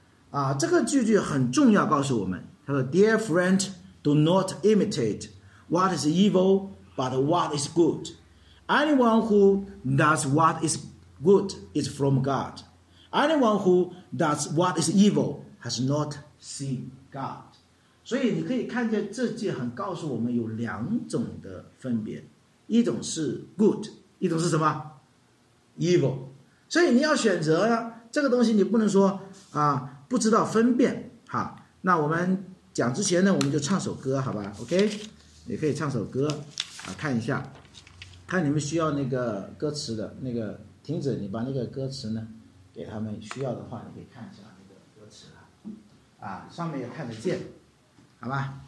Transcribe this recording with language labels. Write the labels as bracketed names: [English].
[Chinese] 啊，这个句很重要，告诉我们，他说 ： [English] “Dear friend, do not imitate.” What is evil, but what is good? Anyone who does what is good is from God. Anyone who does what is evil has not seen God. [Chinese] 所以你可以看见这节很告诉我们有两种的分别，一种是 good， 一种是什么 evil。所以你要选择呀，这个东西你不能说啊不知道分辨哈。那我们讲之前呢，我们就唱首歌好吧 ？OK， 也可以唱首歌啊，看一下，看你们需要那个歌词的那个停止，你把那个歌词呢给他们需要的话，你可以看一下那个歌词啊，上面也看得见，好吧？